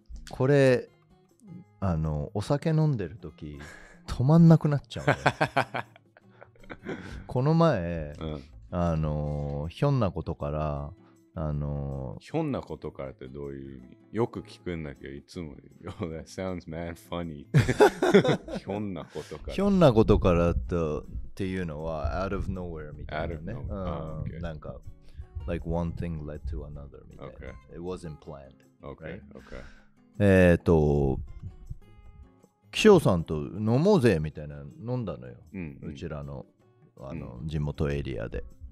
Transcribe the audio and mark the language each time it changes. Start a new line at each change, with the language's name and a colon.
Japanese: これあのお酒飲んでる時止まんなくなっちゃうんだよこの前、うん、ひょんなことからひょんなことからってどういう意味？よく聞くんだけどいつも
English: Yo, that sounds man funny
Japanese: ひょんなことからひょんなことからっていうのは
English: out of nowhere
Japanese: みたいなね、
English: うん、okay. なんか like one thing led to another
Japanese: みたいな、
English: okay. it wasn't planned okay.、Right? Okay.
Japanese: 気象さんと飲もうぜみたいな飲んだのよ、うんうん、うちらの、あの、うん、地元エリアで。